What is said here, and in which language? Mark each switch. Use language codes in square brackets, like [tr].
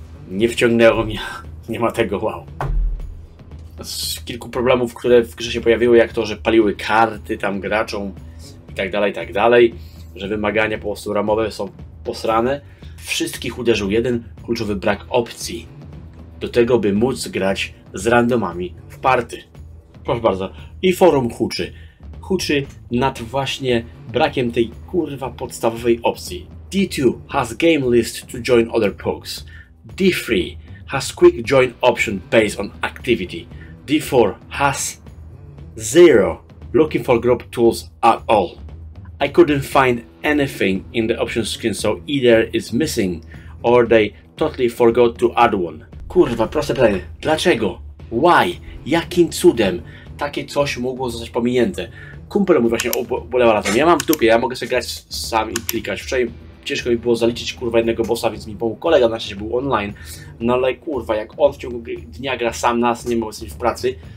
[pl] Nie wciągnęło mnie, nie ma tego wow. Z kilku problemów, które w grze się pojawiły, jak to, że paliły karty tam graczom i tak dalej, że wymagania po prostu ramowe są posrane. Wszystkich uderzył jeden kluczowy brak opcji do tego, by móc grać z randomami w party. Proszę bardzo, i forum huczy. Huczy nad właśnie brakiem tej kurwa podstawowej opcji. [en] D2 has game list to join other pogs. D3 has quick join option based on activity. D4 has zero looking for group tools at all. I couldn't find anything in the option screen, so either it's missing or they totally forgot to add one. [pl] Kurwa, proste pytanie. Dlaczego? [en] Why? [pl] Jakim cudem takie coś mogło zostać pominięte? Kumpel mówi właśnie, ubolewa na tym. Ja mam w dupie, ja mogę sobie grać sam i klikać. Wczoraj ciężko mi było zaliczyć kurwa jednego bossa, więc mi pomógł kolega, na szczęście był online. No ale kurwa, jak on w ciągu dnia gra sam nas, nie mogę być w pracy.